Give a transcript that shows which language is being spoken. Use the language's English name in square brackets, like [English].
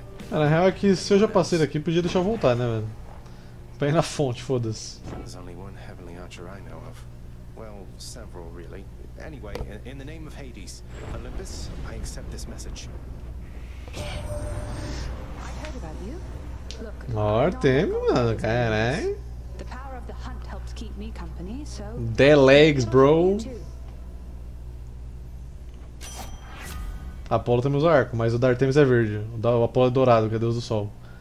[Portuguese] Na real é que se eu já passei daqui, podia deixar eu voltar, né, velho? Pra ir na fonte, foda-se. [English] There's only one heavenly archer I know of. Well, several really. Anyway, in the name of Hades, Olympus, I accept this message. I heard about you. Look, Artemio, [Portuguese] mano, cara, hein? [English] The power of the hunt helps keep me company, so. The legs, bro. [Portuguese] Apolo também usa arco, mas o da Artemis é verde. O da Apolo é dourado, que é deus do sol.